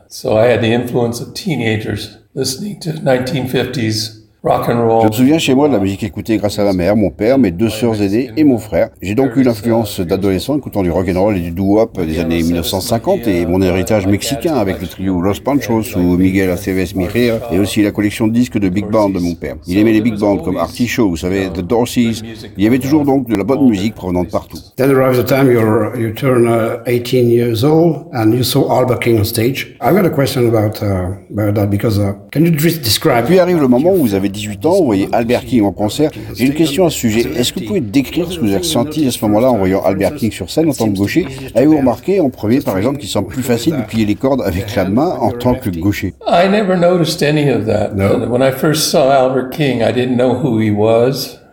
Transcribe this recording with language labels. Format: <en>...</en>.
<en>So I had the influence of teenagers listening to 1950s.</en> <fr>Je me souviens chez moi de la musique écoutée grâce à ma mère, mon père, mes deux sœurs aînées et mon frère. J'ai donc eu l'influence d'adolescent écoutant du rock'n'roll et du doo-wop des années 1950 et mon héritage mexicain avec le trio Los Panchos ou Miguel Aceves Mejía et aussi la collection de disques de big band de mon père. Il aimait les big bands comme Artie Shaw, vous savez, The Dorseys. Il y avait toujours donc de la bonne musique provenant de partout.</fr> <en>Then arrives the time you turn 18 years old and you saw Albert King on stage. I've got a question about that because can you describe?</en> <fr>Puis arrive le moment où vous avez 18 ans, vous voyez Albert King en concert. J'ai une question à ce sujet. Est-ce que vous pouvez décrire ce que vous avez ressenti à ce moment-là en voyant Albert King sur scène en tant que gaucher? Avez-vous remarqué en premier, par exemple, qu'il semble plus facile de plier les cordes avec la main en tant que gaucher?</fr> <en>I never noticed any of that. No. When I first saw Albert King, I didn't know who he was.</en>